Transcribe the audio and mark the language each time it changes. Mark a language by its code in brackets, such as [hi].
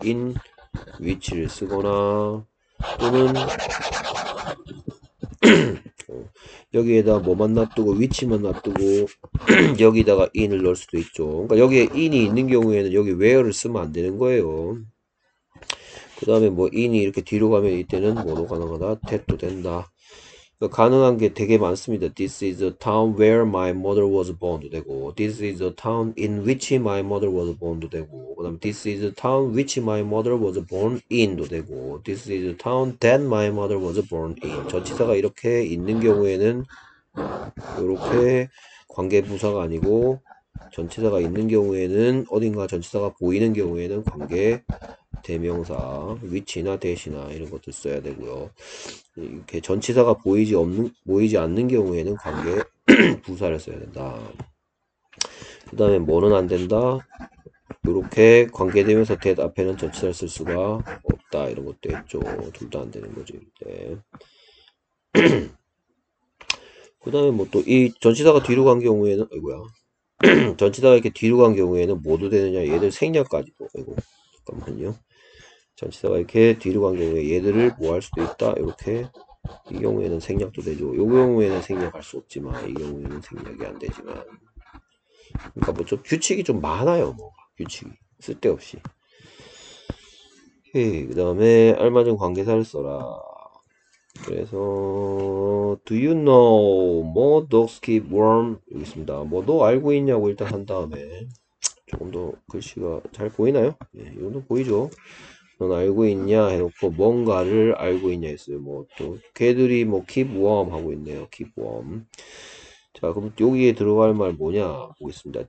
[ko] in which를 쓰거나 또는 여기에다 뭐만 놔두고 위치만 놔두고 여기다가 in을 넣을 수도 있죠. 그러니까 여기에 in이 있는 경우에는 여기 where를 쓰면 안 되는 거예요. 그 다음에 뭐 in이 이렇게 뒤로 가면 이때는 뭐로 가능하다? that도 된다. 가능한 게 되게 많습니다. [en] This is a town where my mother was born도 되고, This is a town in which my mother was born도 되고, 그다음 This is a town which my mother was born in도 되고, This is a town that my mother was born in. [ko] 전치사가 이렇게 있는 경우에는 이렇게 관계부사가 아니고 전치사가 있는 경우에는 어딘가 전치사가 보이는 경우에는 관계 대명사, which나 that이나 이런 것도 써야 되고요. 이렇게 전치사가 보이지 않는 경우에는 관계 부사를 써야 된다. 그 다음에 뭐는 안 된다? 이렇게 관계 대명사 that 앞에는 전치사를 쓸 수가 없다. 이런 것도 있죠. 둘다안 되는 거죠. 이때. 그 다음에 뭐또이 전치사가 뒤로 간 경우에는, 아이고야. 전치사가 이렇게 뒤로 간 경우에는 뭐도 되느냐? 얘들 생략까지도. 아이고. 잠깐만요. 전치사가 이렇게 뒤로 간 경우에 얘들을 뭐할 수도 있다. 이렇게 이 경우에는 생략도 되죠. 이 경우에는 생략할 수 없지만 이 경우에는 생략이 안 되지만. 그러니까 뭐좀 규칙이 좀 많아요. 뭐 규칙이 쓸데없이. 오케이. 그다음에 알맞은 관계사를 써라. [en] 그래서 do you know more dogs keep warm? [ko] 여기 있습니다. 뭐너 알고 있냐고 일단 한 다음에 조금 더 글씨가 잘 보이나요? 예, 이 정도 보이죠? 넌 알고 있냐 해놓고 뭔가를 알고 있냐 했어요. 뭐또 개들이 뭐 keep warm 하고 있네요. keep warm. 자, 그럼 여기에 들어갈 말 뭐냐 보겠습니다.